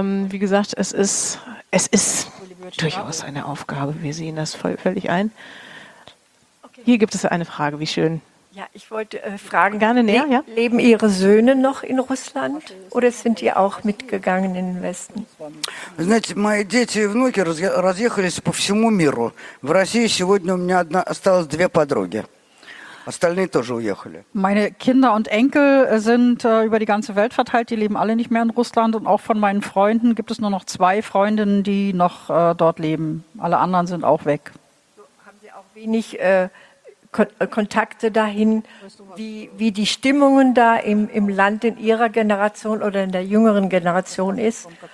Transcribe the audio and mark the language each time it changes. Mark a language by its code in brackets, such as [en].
[de] Wie gesagt, es ist durchaus eine Aufgabe. Wir sehen das völlig ein. Hier gibt es eine Frage, wie schön. Ja, ich wollte fragen, gerne näher, ja? Leben Ihre Söhne noch in Russland oder sind die auch mitgegangen in den Westen? [ru] Знаете, мои дети и внуки разъехались по всему миру. В России сегодня у меня осталось две подруги. Остальные тоже уехали. [de] Meine Kinder und Enkel sind über die ganze Welt verteilt, die leben alle nicht mehr in Russland, und auch von meinen Freunden gibt es nur noch zwei Freundinnen, die noch dort leben. Alle anderen sind auch weg. Haben Sie auch wenig Kontakte dahin, wie die Stimmungen da im Land in Ihrer Generation oder in der jüngeren Generation ist?